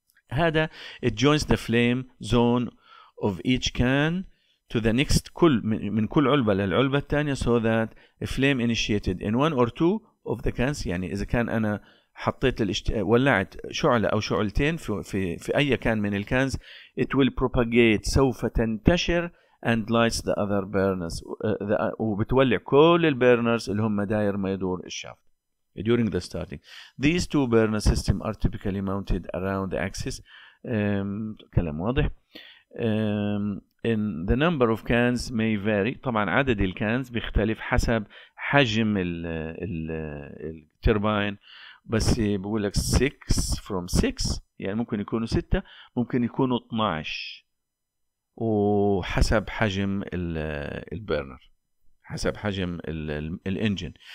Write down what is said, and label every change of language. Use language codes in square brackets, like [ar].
[en] هذا it joins the flame zone of each can to the next، [ar] كل من كل علبه للعلبه الثانيه، [en] so that flame initiated in one or two of the cans، [ar] يعني اذا كان انا حطيت ولعت شعله او شعلتين في اي كان من الكانز، [en] it will propagate، [ar] سوف تنتشر، [en] and lights the other burners [ar] وبتولع كل البيرنرز اللي هم داير ما يدور الشافت [en] during the starting. These two burner system are typically mounted around the axis. [ar] كلام واضح. [en] In the number of cans may vary، [ar] طبعا عدد الكانز بيختلف حسب حجم التيرباين بس بقول لك 6 from 6 يعني ممكن يكونوا 6 ممكن يكونوا 12 وحسب حجم البرنر حسب حجم الانجن.